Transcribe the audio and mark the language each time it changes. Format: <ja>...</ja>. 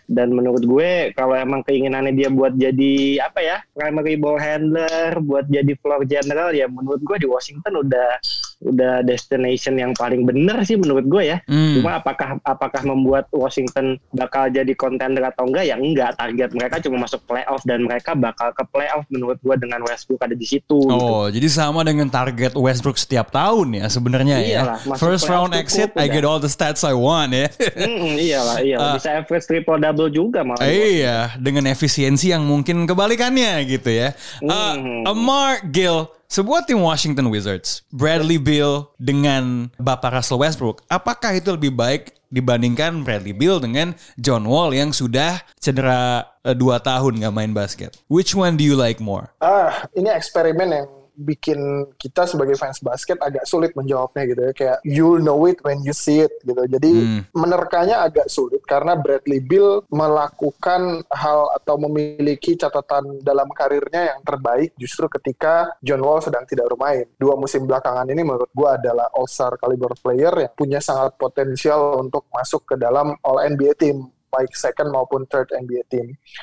<id>Dan menurut gue kalau emang keinginannya dia buat jadi primary ball handler, buat jadi floor general, ya menurut gue di Washington udah destination yang paling bener sih menurut gue ya. Cuma apakah membuat Washington bakal jadi contender atau enggak, ya enggak, target mereka cuma masuk playoff, dan mereka bakal ke playoff menurut gue dengan Westbrook ada di situ. Oh gitu. Jadi sama dengan target Westbrook setiap tahun ya sebenarnya. Iyalah, ya</id> <en>first round exit I get all the stats I want ya.</en> <id>Iyalah bisa average triple double juga malah. Iya, dengan efisiensi yang mungkin kebalikannya gitu ya. Amar Gill, sebuah tim Washington Wizards, Bradley Beal dengan Bapak Russell Westbrook, apakah itu lebih baik dibandingkan Bradley Beal dengan John Wall yang sudah cedera 2 tahun gak main basket?</id> <en>Which one do you like more?</en> <id>Ini eksperimen yang bikin kita sebagai fans basket agak sulit menjawabnya gitu ya. Kayak</id> <en>you'll know it when you see it</en> <id>gitu. Jadi menerkanya agak sulit karena Bradley Beal melakukan hal atau memiliki catatan dalam karirnya yang terbaik justru ketika John Wall sedang tidak bermain. 2 musim belakangan ini menurut gue adalah All-Star caliber player yang punya sangat potensial untuk masuk ke dalam All-NBA team, baik second maupun third NBA team.</id>